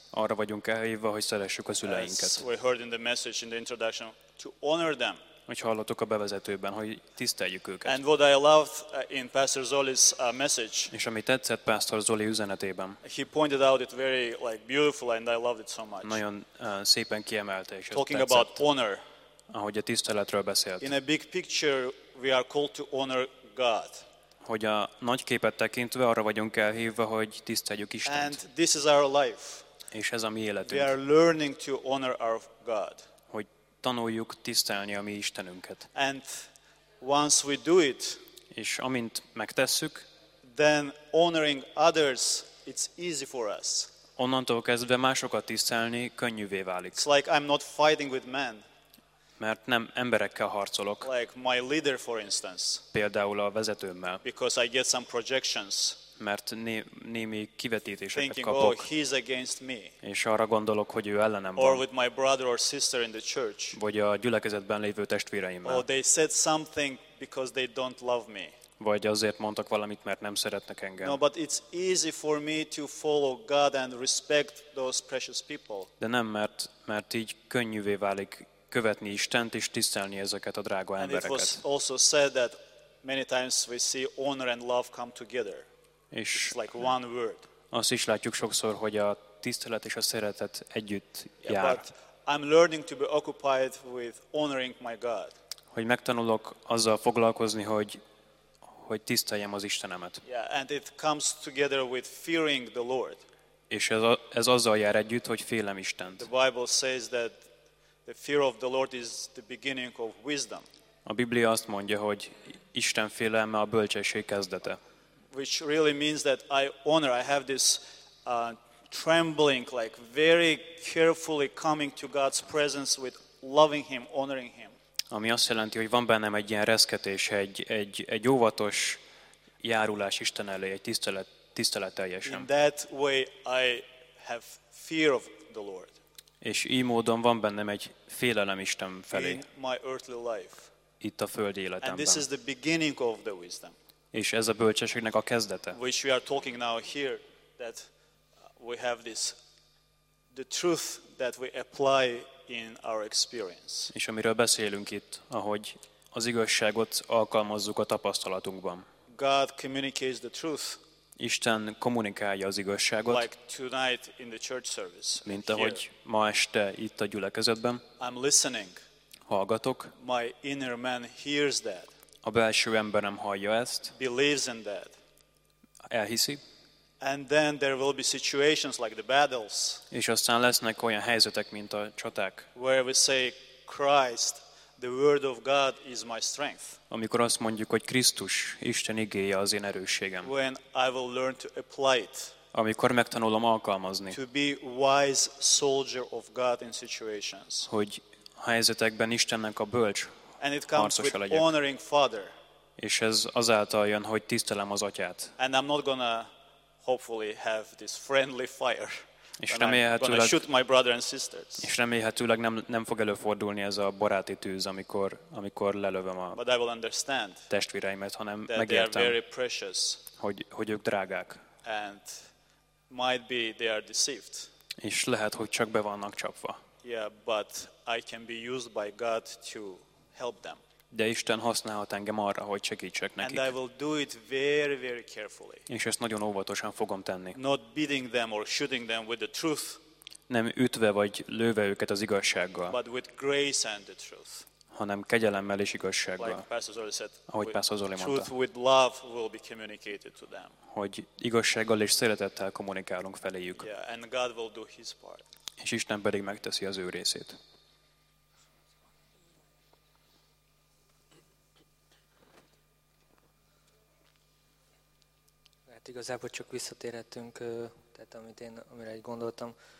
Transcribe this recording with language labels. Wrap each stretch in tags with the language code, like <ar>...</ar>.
<hu>Arra vagyunk elhívva, hogy szeressük a szüleinket.</hu> <en>We heard in the message in the introduction to honor them.</en> <hu>Hogy hallottuk a bevezetőben, hogy tiszteljük őket.</hu> <en>And what I loved in Pastor Zoli's message.</en> <hu>És ami tetszett Pastor Zoli üzenetében.</hu> <en>He pointed out it very like beautiful and I loved it so much.</en> <hu>Nagyon szépen kiemelte, és</hu> <en>talking about honor.</en> <hu>Ahogy a tiszteletről beszélt.</hu> <en>In a big picture we are called to honor God.</en> <hu>Hogy a nagy képet tekintve arra vagyunk elhívva, hogy tiszteljük Istent.</hu> <en>And this is our life.</en> <hu>És ez a mi életünk.</hu> <en>We are learning to honor our God.</en> <hu>Hogy tanuljuk tisztelni a mi Istenünket.</hu> <en>And once we do it,</en> <hu>és amint megtesszük,</hu> <en>then honoring others, it's easy for us.</en> <hu>Onnantól kezdve másokat tisztelni könnyűvé válik.</hu> <en>It's like I'm not fighting with men.</en> <hu>Mert nem emberekkel harcolok.</hu> <en>Like my leader, for instance.</en> <hu>Például a vezetőmmel.</hu> <en>Because I get some projections.</en> <hu>Mert némi kivetítéseket</hu> <en>thinking,</en> <hu>kapok.</hu> <en>Thinking, oh, he's against me.</en> <hu>És arra gondolok, hogy ő ellenem</hu> <en>or</en> <hu>van.</hu> <en>With my brother or sister in the church.</en> <hu>Vagy a gyülekezetben lévő testvéreimmel.</hu> <en>Oh, they said something because they don't love me.</en> <hu>Vagy azért mondtak valamit, mert nem szeretnek engem.</hu> <en>No, but it's easy for me to follow God and respect those precious people.</en> <hu>De nem, mert így könnyűvé válik követni Istent és tisztelni ezeket a drága</hu> <en>and</en> <hu>embereket.</hu> <en>It was also said that many times we see honor and love come together.</en> <hu>És</hu> <en>it's like one word.</en> <hu>Azt is látjuk sokszor, hogy a tisztelet és a szeretet együtt jár.</hu> <en>But I'm learning to be occupied with honoring my God.</en> <hu>Hogy megtanulok azzal foglalkozni, hogy tiszteljem az Istenemet.</hu> <en>Yeah, and it comes together with fearing the Lord.</en> <hu>És ez azzal jár együtt, hogy félem Istent.</hu> <en>The Bible says that the fear of the Lord is the beginning of wisdom.</en> <hu>A Biblia azt mondja, hogy Isten félelme a bölcsesség kezdete.</hu> <en>Which really means that I honor, I have this trembling, like very carefully coming to God's presence with loving him, honoring him.</en> <hu>Ami azt jelenti, hogy van bennem egy ilyen reszketés, egy óvatos járulás Isten elé, egy tisztelet teljesen.</hu> <en>In that way I have fear of the Lord.</en> <hu>És így módon van bennem egy félelem Isten felé.</hu> <en>In my earthly life.</en> <hu>Itt a földi életemben.</hu> <en>And this is the beginning of the wisdom.</en> <hu>És ez a bölcsességnek a kezdete.</hu> <en>Which we are talking now here, that we have this, the truth that we apply in our experience.</en> <hu>És amiről beszélünk itt, ahogy az igazságot alkalmazzuk a tapasztalatunkban.</hu> <en>God communicates the truth.</en> <hu>Isten kommunikálja az igazságot,</hu> <en>like tonight in the church service,</en> <hu>mint ahogy</hu> <en>here.</en> <hu>Ma este itt a gyülekezetben.</hu> <en>I'm listening.</en> <hu>Hallgatok.</hu> <en>My inner man hears that.</en> <hu>A belső emberem hallja ezt.</hu> <en>Believes in that.</en> <hu>Elhiszi.</hu> <en>And then there will be situations like the battles.</en> <hu>És aztán lesznek olyan helyzetek, mint a csaták.</hu> <en>Where we say, Christ, the word of God is my strength.</en> <hu>Amikor azt mondjuk, hogy Krisztus, Isten igéje az én erősségem.</hu> <en>When I will learn to apply it.</en> <hu>Amikor megtanulom alkalmazni.</hu> <en>To be wise soldier of God in situations.</en> <hu>Hogy helyzetekben Istennek a bölcs</hu> <en>and it comes</en> <hu>harcosa</hu> <en>with</en> <hu>legyek.</hu> <en>Honoring Father.</en> <hu>És ez azáltal jön, hogy tisztelem az Atyát.</hu> <en>And I'm not gonna hopefully have this friendly fire.</en> <hu>És remélhetőleg,</hu> <en>shoot my brother and sisters.</en> <hu>És remélhetőleg nem fog előfordulni ez a baráti tűz, amikor lelövöm a</hu> <en>but I will understand</en> <hu>testvéreimet, hanem</hu> <en>that</en> <hu>megértem,</hu> <en>they are very precious,</en> <hu>hogy ők drágák.</hu> <en>And might be they are deceived.</en> <hu>és lehet, hogy csak be vannak csapva.</hu> <en>Yeah, but I can be used by God to help them.</en> <hu>De Isten használhat engem arra, hogy segítsek nekik.</hu> <en>And I will do it very, very carefully.</en> <hu>És ezt nagyon óvatosan fogom tenni.</hu> <en>Not beating them or shooting them with the truth.</en> <hu>Nem ütve vagy lőve őket az igazsággal.</hu> <en>But with grace and the truth.</en> <hu>Hanem kegyelemmel és igazsággal.</hu> <en>Like Pastor Zoli said,</en> <hu>ahogy Pastor Zoli mondta.</hu> <en>Truth with love will be communicated to them.</en> <hu>Hogy igazsággal és szeretettel kommunikálunk feléjük.</hu> <en>Yeah, and God will do his part.</en> <hu>És Isten pedig megteszi az ő részét. Hát igazából csak visszatérhetünk, tehát amit én, amire egy gondoltam.</hu>